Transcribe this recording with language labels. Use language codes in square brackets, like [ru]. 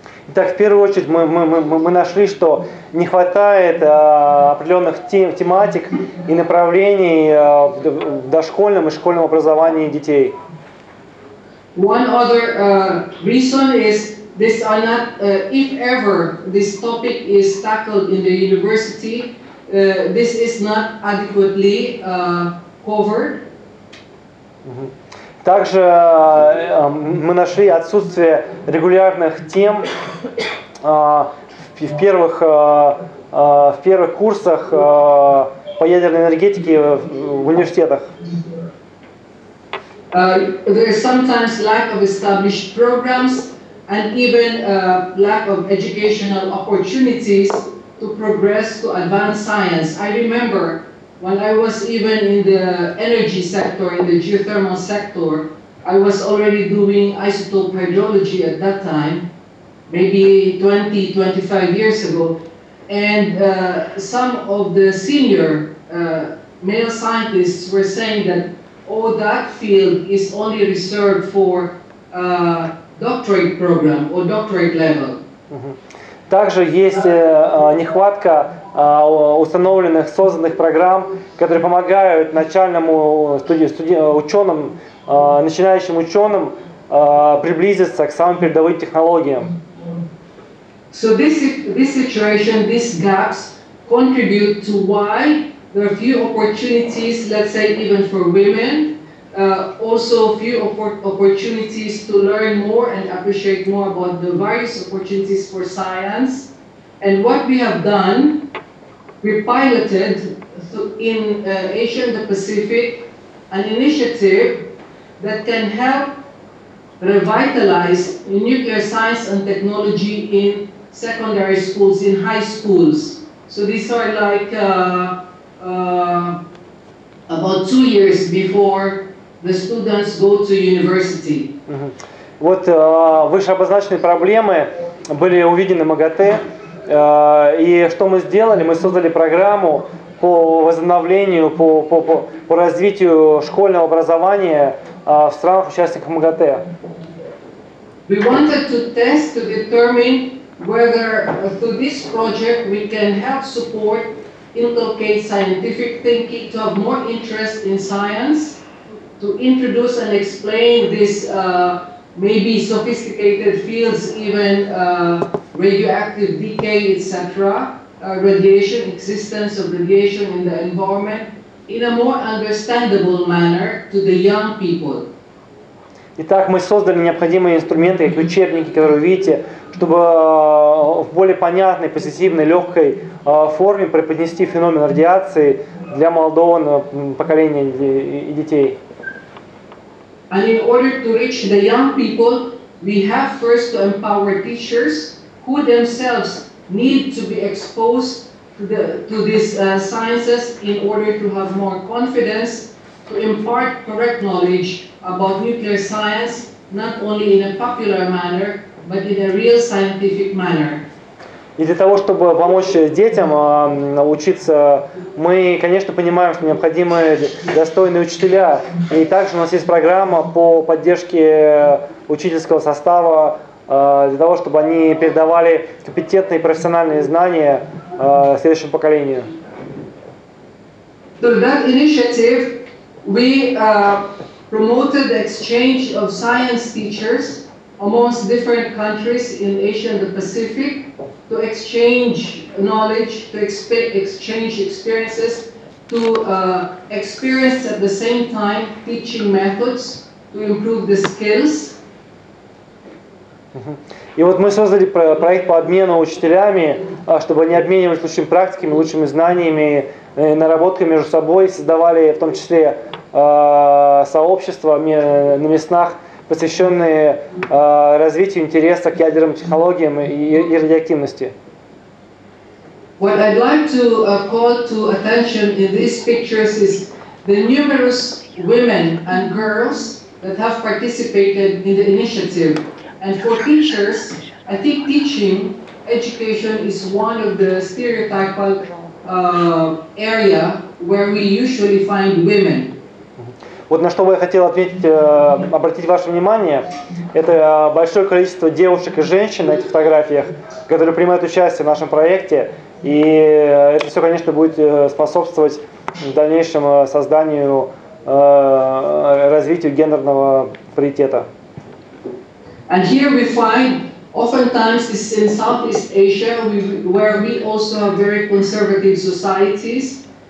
[ru] Итак, в первую очередь мы нашли, что не хватает определенных тематик и направлений в дошкольном и школьном образовании детей. [en] One other reason is these are not, if ever this topic is tackled in the university, this is not adequately covered. [ru] Также мы нашли отсутствие регулярных тем в первых курсах по ядерной энергетике в университетах. [en] There is sometimes lack of established programs and even lack of educational opportunities to progress to advanced science. I remember when I was even in the energy sector, in the geothermal sector, I was already doing isotope hydrology at that time, maybe 20, 25 years ago, and some of the senior male scientists were saying that all that field is only reserved for doctorate program or doctorate level. [ru] Также есть нехватка установленных, созданных программ, которые помогают начальному ученым, начинающим ученым приблизиться к самым передовым технологиям. [en] So this situation, these gaps contribute to why there are few opportunities, let's say even for women, also few opportunities to learn more and appreciate more about the various opportunities for science. And what we have done, we piloted in Asia and the Pacific an initiative that can help revitalize nuclear science and technology in secondary schools, in high schools. So these are like about 2 years before the students go to university. [ru] Вот выше обозначенные проблемы были увидены МАГАТЭ. И что мы сделали? Мы создали программу по возобновлению, по развитию школьного образования в странах-участниках МАГАТЭ. [en] We wanted to test to determine whether through this project we can help support, inculcate scientific thinking, to have more interest in science, to introduce and explain this maybe sophisticated fields, even radioactive decay, etc., radiation, existence of radiation in the environment, in a more understandable manner to the young people. [ru] Итак, мы создали необходимые инструменты, как учебники, которые вы видите, чтобы в более понятной, позитивной, легкой форме преподнести феномен радиации для молодого поколения и детей. [en] And in order to reach the young people, we have first to empower teachers who themselves need to be exposed to these sciences in order to have more confidence to impart correct knowledge about nuclear science, not only in a popular manner, but in a real scientific manner. [ru] И для того, чтобы помочь детям учиться, мы, конечно, понимаем, что необходимы достойные учителя. И также у нас есть программа по поддержке учительского состава для того, чтобы они передавали компетентные профессиональные знания следующему поколению. [en] Through that initiative, we promoted the exchange of science teachers amongst different countries in Asia and the Pacific to exchange knowledge, to exchange experiences, to experience at the same time teaching methods to improve the skills. [ru] И вот мы создали проект по обмену учителями, чтобы они обменивались лучшими практиками, лучшими знаниями, наработками между собой, создавали в том числе сообщества на местах, посвященные развитию интереса к ядерным технологиям и радиоактивности. [en] What I'd like to call to attention in these pictures is the numerous women and girls that have participated in the initiative. And for teachers, I think teaching education is one of the stereotypical area where we usually find women. [ru] Вот на что бы я хотел отметить, обратить ваше внимание, это большое количество девушек и женщин на этих фотографиях, которые принимают участие в нашем проекте, и это все, конечно, будет способствовать дальнейшему созданию, развитию гендерного паритета. [en] And here we find, oftentimes, this is in Southeast Asia, where we also have very conservative societies.